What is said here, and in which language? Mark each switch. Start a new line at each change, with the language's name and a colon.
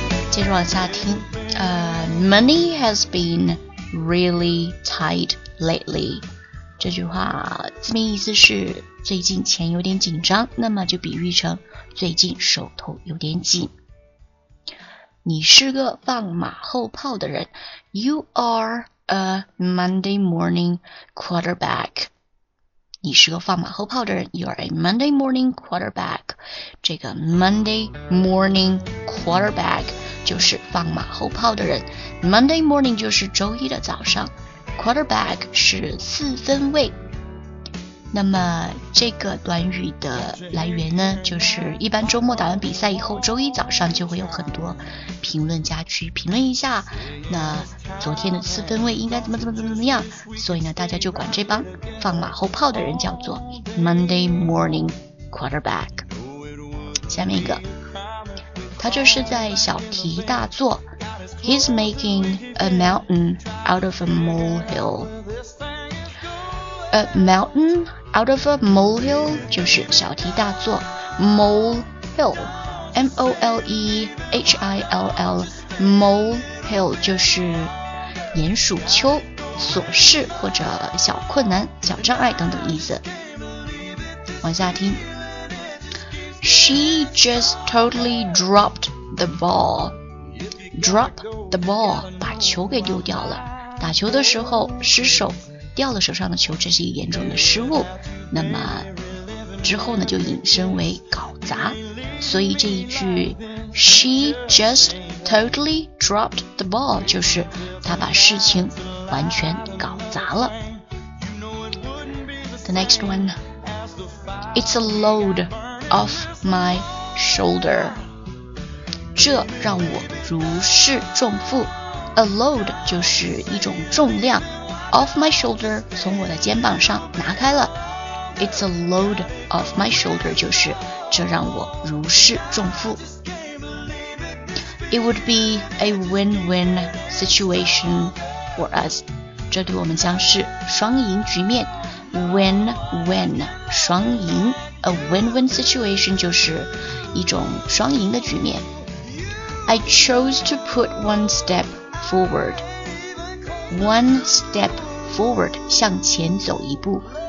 Chinese: 接着往下听，
English: money has been really tight lately。
Chinese: 这句话字面意思是最近钱有点紧张，那么就比喻成最近手头有点紧。你是个放马后炮的人。
English: You are a Monday morning quarterback.
Chinese: 你是个放马后炮的人。
English: You are a Monday morning quarterback.
Chinese: 这个
English: Monday morning quarterback
Chinese: 就是放马后炮的人。 Monday morning 就是周一的早上。Quarterback 是四分卫。那么这个短语的来源呢，就是一般周末打完比赛以后，周一早上就会有很多评论家去评论一下，那昨天的四分卫应该怎么样，所以呢，大家就管这帮放马后炮的人叫做 Monday Morning Quarterback。
English: 下面一个，
Chinese: 他这是在小题大做
English: ，He's making a mountain out of a molehill。 A mountain out of a molehill
Chinese: 就是小题大做 molehill M-O-L-E-H-I-L-L molehill 就是鼹鼠丘琐事或者小困难小障碍等等意思往下听
English: She just totally dropped the ball drop the ball
Chinese: 把球给丢掉了，打球的时候失手掉了手上的球，这是一严重的失误，那么之后呢就引申为搞砸。所以这一句
English: She just totally dropped the ball
Chinese: 就是她把事情完全搞砸了。
English: The next one, It's a load off my shoulder,
Chinese: 这让我如释重负。 A load 就是一种重量，
English: Off my shoulder
Chinese: 从我的肩膀上拿开了。
English: It's a load off my shoulder,
Chinese: 就是这让我如释重负。
English: It would be a win-win situation for us,
Chinese: 这对我们将是双赢局面。 Win-win, 双赢，
English: A win-win situation
Chinese: 就是一种双赢的局面。
English: I chose to put one step forward, One step forward,
Chinese: 向前走一步。